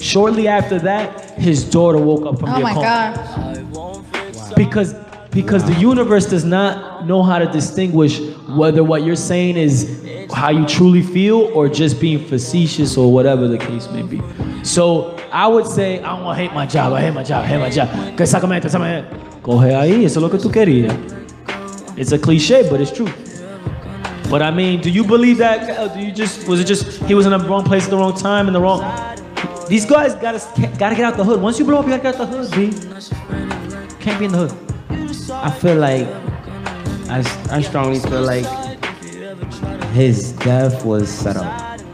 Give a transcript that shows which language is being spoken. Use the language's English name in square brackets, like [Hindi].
[English] Shortly after that, his daughter woke up from the coma. Oh my God. Because the universe does not know how to distinguish whether what you're saying is how you truly feel or just being facetious or whatever the case may be. So I would say, I don't want to hate my job. [Spanish] Que sacamento, coge ahí, eso es lo que tú querías. [English] It's a cliche, but it's true. But I mean, do you believe that? He was in the wrong place at the wrong time and the wrong. These guys gotta get out the hood. Once you blow up, you gotta get out the hood, B. Can't be in the hood. I feel like, I strongly feel like his death was set up.